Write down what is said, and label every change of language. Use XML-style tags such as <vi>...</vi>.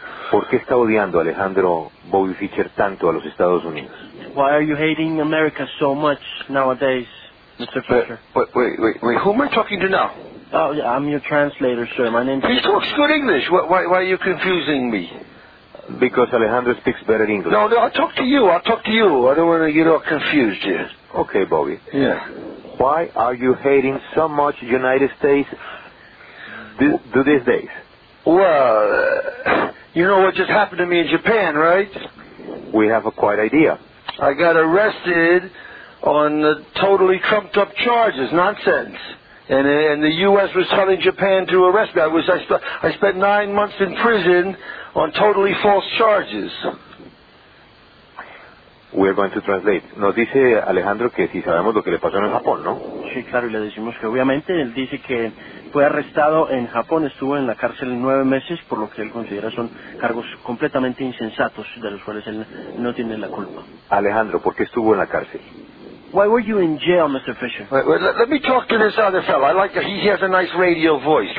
<es>¿Por qué está odiando Alejandro Bobby Fischer tanto a los Estados Unidos?</es> <en>Why are you hating America so much nowadays, Mr. Fischer? Wait, who am I talking to now? Oh, yeah, I'm your translator, sir. My name. He talks good English. Why are you confusing me? Because Alejandro speaks better English. No, I'll talk to you. I don't want to get all confused here. Okay, Bobby. Yeah. Why are you hating so much United States to these days? Well, you know what just happened to me in Japan, right? We have a quiet idea. I got arrested on the totally trumped up charges, nonsense. And the U.S. was telling Japan to arrest me. I spent 9 months in prison on totally false charges. We're going to translate.</en> <es>Nos dice Alejandro que si sabemos lo que le pasó en Japón, ¿no? Sí, claro, y le decimos que obviamente él dice que fue arrestado en Japón, estuvo en la cárcel 9 meses, por lo que él considera son cargos completamente insensatos, de los cuales él no tiene la culpa. Alejandro, ¿por qué estuvo en la cárcel?</es> <en>Why were you in jail, Mr. Fischer? Let me talk to this other fellow. I like he has a nice radio voice.</en>